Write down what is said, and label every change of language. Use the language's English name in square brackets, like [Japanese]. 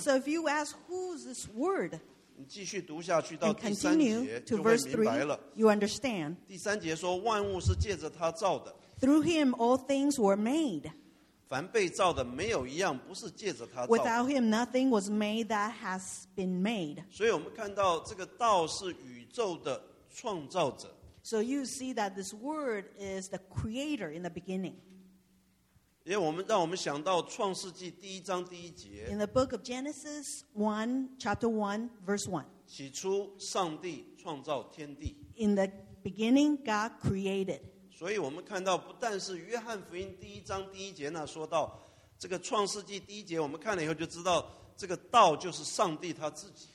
[English] So if you ask, who's this Word? [Chinese] 你继续读下去, [English] and continue to verse 3, you understand. [Chinese] 第三节说, 万物是借着他造的, [English] Through him all things were made. [Chinese] 凡被造的没有一样, [English] Without him nothing was made that has been made. [Chinese] 所以我们看到这个道是宇宙的创造者。 [English] So you see that this word is the creator in the beginning. [Chinese] 让我们想到创世纪第一章第一节, [English] In the book of Genesis 1, chapter 1, verse 1. [Chinese] 起初上帝创造天地。 [English] In the beginning, God created. [Chinese] 所以我们看到不但是约翰福音第一章第一节那说到, 这个创世纪第一节我们看了以后就知道这个道就是上帝他自己。